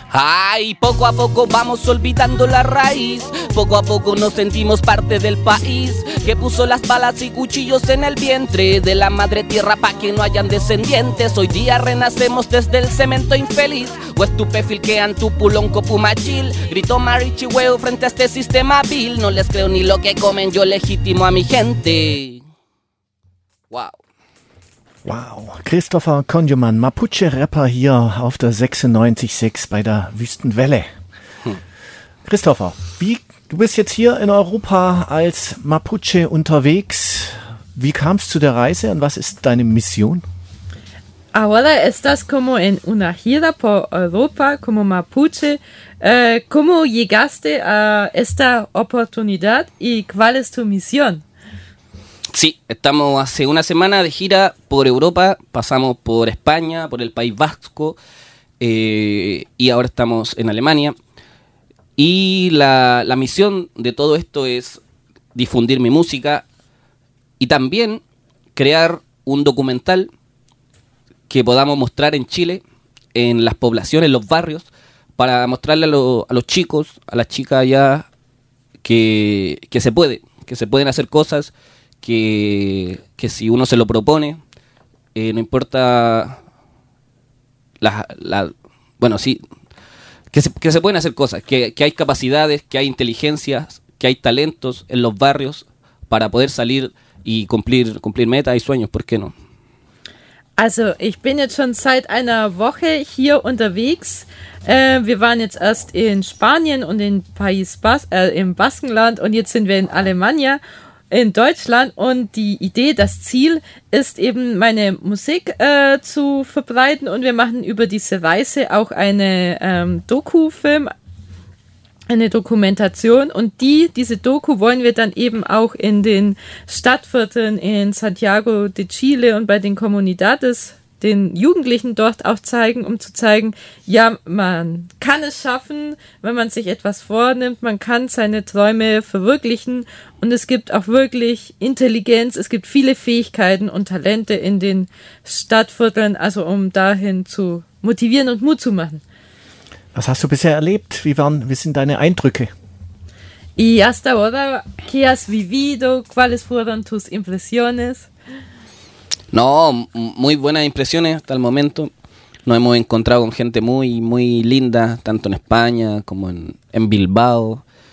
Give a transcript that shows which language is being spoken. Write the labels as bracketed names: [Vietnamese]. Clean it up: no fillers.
[Spanish] Ay, poco a poco vamos olvidando la raíz, poco a poco nos sentimos parte del país, que puso las balas y cuchillos en el vientre de la madre tierra pa' que no hayan descendientes. Hoy día renacemos desde el cemento infeliz. O estupefil que antupulón copumachil, gritó Marichi huevo frente a este sistema vil. No les creo ni lo que comen, yo legitimo a mi gente. Wow. [German] Wow, Christopher Conjoman, Mapuche Rapper hier auf der 96.6 bei der Wüstenwelle. Christopher, wie, du bist jetzt hier in Europa als Mapuche unterwegs. Wie kamst du zu der Reise und was ist deine Mission? [Spanish] Ahora estás como en una gira por Europa como Mapuche. ¿Cómo llegaste a esta oportunidad y cuál es tu misión? Sí, estamos hace una semana de gira por Europa, pasamos por España, por el País Vasco, y ahora estamos en Alemania. Y la misión de todo esto es difundir mi música y también crear un documental que podamos mostrar en Chile, en las poblaciones, en los barrios, para mostrarle a los chicos, a las chicas allá, que se puede, que se pueden hacer cosas, que si uno se lo propone, no importa que se pueden hacer cosas, que hay capacidades, que hay inteligencias, que hay talentos en los barrios para poder salir y cumplir metas y sueños, ¿por qué no? [German] Also, ich bin jetzt schon seit einer Woche hier unterwegs. Wir waren jetzt erst in Spanien und in im Baskenland und jetzt sind wir in Alemania. In Deutschland und die Idee, das Ziel ist eben meine Musik zu verbreiten und wir machen über diese Reise auch eine Doku-Film eine Dokumentation und diese Doku wollen wir dann eben auch in den Stadtvierteln in Santiago de Chile und bei den Comunidades, den Jugendlichen dort auch zeigen, um zu zeigen, ja, man kann es schaffen, wenn man sich etwas vornimmt, man kann seine Träume verwirklichen und es gibt auch wirklich Intelligenz, es gibt viele Fähigkeiten und Talente in den Stadtvierteln, also um dahin zu motivieren und Mut zu machen. Was hast du bisher erlebt? Wie sind deine Eindrücke? [Spanish] Y hasta ahora, ¿qué has vivido? ¿Cuáles fueron tus impresiones? No, muy buenas impresiones hasta el momento. Nos hemos encontrado con gente muy, muy linda, tanto en España como en Bilbao.